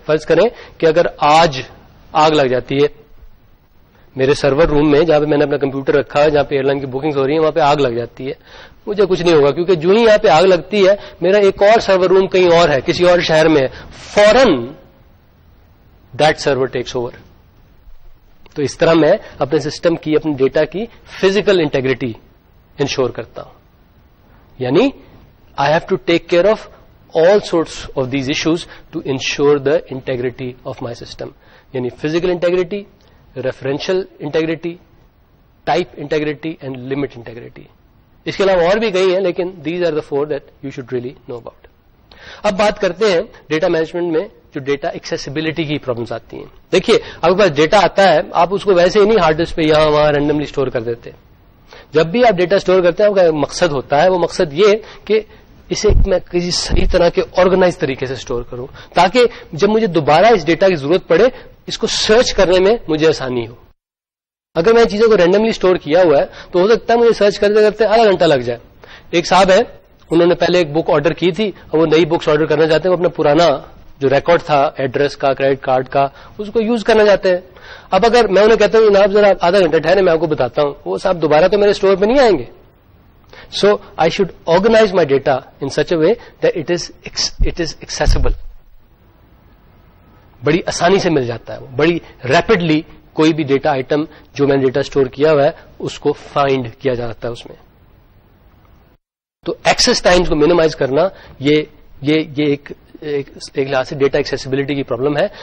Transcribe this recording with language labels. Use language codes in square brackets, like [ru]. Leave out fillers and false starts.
[ur] فرض کریں کہ اگر آج آگ لگ جاتی ہے میرے سرور روم میں, جہاں پہ میں نے اپنا کمپیوٹر رکھا ہے, جہاں پہ ایئر لائن کی بکنگز ہو رہی ہیں, وہاں پہ آگ لگ جاتی ہے, مجھے کچھ نہیں ہوگا, کیونکہ جو ہی یہاں پہ آگ لگتی ہے میرا ایک اور سرور روم کہیں اور ہے, کسی اور شہر میں ہے, فوراً [en] That server takes over. [ur] تو اس طرح میں اپنے سسٹم کی, اپنے ڈیٹا کی فزیکل انٹیگریٹی انشور کرتا ہوں. [en] یعنی I have to take care of all sorts of these issues to ensure the integrity of my system. Yani physical integrity, referential integrity, type integrity and limit integrity. [ur] Iske alawa aur bhi kahi hai, lekin [en] these are the four that you should really know about. [ur] Ab baat karte hain data management mein jo data accessibility ki problems aati hain. Dekhiye, aapke paas data aata hai, aap usko waise hi nahi hard disk pe yahan wahan randomly store kar dete. Jab bhi aap data store karte hain, uska ek maqsad hota hai, wo maqsad ye ki اسے میں کسی صحیح طرح کے organise طریقے سے store کروں, تاکہ جب مجھے دوبارہ اس ڈیٹا کی ضرورت پڑے اس کو سرچ کرنے میں مجھے آسانی ہو. اگر میں چیزوں کو رینڈملی سٹور کیا ہوا ہے تو ہو سکتا ہے مجھے سرچ کرتے کرتے آدھا گھنٹہ لگ جائے. ایک صاحب ہے, انہوں نے پہلے ایک بک آرڈر کی تھی, اب وہ نئی بکس آرڈر کرنا چاہتے ہیں, وہ اپنا پرانا جو ریکارڈ تھا ایڈریس کا, کریڈٹ کارڈ کا, اس کو یوز کرنا چاہتے ہیں. اب اگر میں انہیں کہتا ہوں جناب ذرا آدھا گھنٹہ ٹھہرے, میں آپ کو بتاتا ہوں, وہ صاحب دوبارہ تو میرے اسٹور پہ نہیں آئیں گے. [en] So I should organize my data in such a way that it is accessible. [ur] بڑی آسانی سے مل جاتا ہے, بڑی rapidly کوئی بھی data item جو میں نے ڈیٹا اسٹور کیا ہوا ہے اس کو فائنڈ کیا جاتا ہے اس میں. تو ایکسس ٹائمس کو مینیمائز کرنا یہ ایک لحاظ سے ڈیٹا ایکسیسبلٹی کی پرابلم ہے.